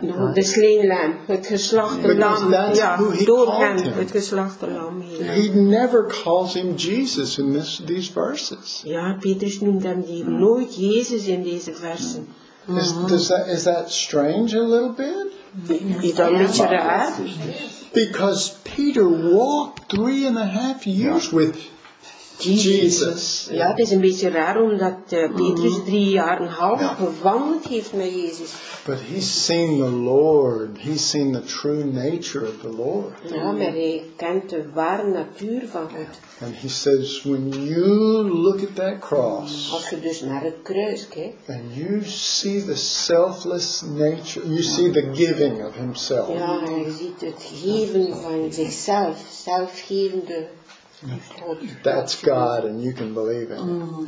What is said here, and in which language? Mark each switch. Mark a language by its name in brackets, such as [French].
[English] No, the slain lamb, [Dutch] het geslachte lam. [English] That's who he door called him. [Dutch] Het geslachte lam. [English] He never calls him Jesus in these verses. [Dutch] Ja, Petrus noemt hem die nooit Jezus in deze versen. [English] Mm-hmm. Is that strange a little bit? [Dutch] Is dat een beetje raar? [English] Because Peter walked 3.5 years with Jesus. [Dutch] Ja, het is een beetje raar omdat Petrus 3.5 jaar gewandeld heeft met Jezus. [English] But he's seen the Lord. He's seen the true nature of the Lord. [Dutch] Ja, maar hij kent de ware natuur van God. [English] And he says, when you look at that cross, [Dutch] als je dus naar het kruis kijkt, [English] and you see the selfless nature, you see the giving of himself. [Dutch] Ja, je ziet het geven van zichzelf, zelfgevende. [English] God. That's God, and you can believe in it.